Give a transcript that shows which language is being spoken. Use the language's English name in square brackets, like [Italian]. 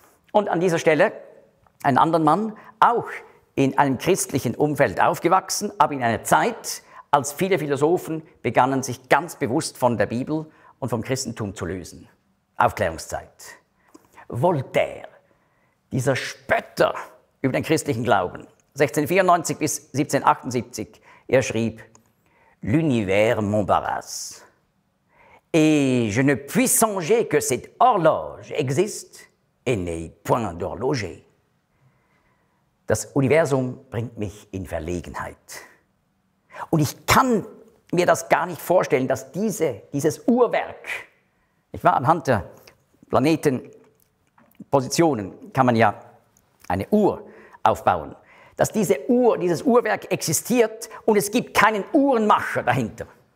[German] Und an dieser Stelle einen anderen Mann, auch in einem christlichen Umfeld aufgewachsen, aber in einer Zeit, als viele Philosophen begannen, sich ganz bewusst von der Bibel und vom Christentum zu lösen. Aufklärungszeit. Voltaire, dieser Spötter über den christlichen Glauben, 1694 bis 1778, er schrieb: [French] L'univers m'embarrasse. Et je ne puis songer que cette horloge existe et n'est point d'horloger. [German] Das Universum bringt mich in Verlegenheit. Und ich kann mir das gar nicht vorstellen, dass dieses Uhrwerk, ich war anhand der Planetenpositionen, kann man ja eine Uhr aufbauen, dass diese Uhr, dieses Uhrwerk existiert und es gibt keinen Uhrenmacher dahinter.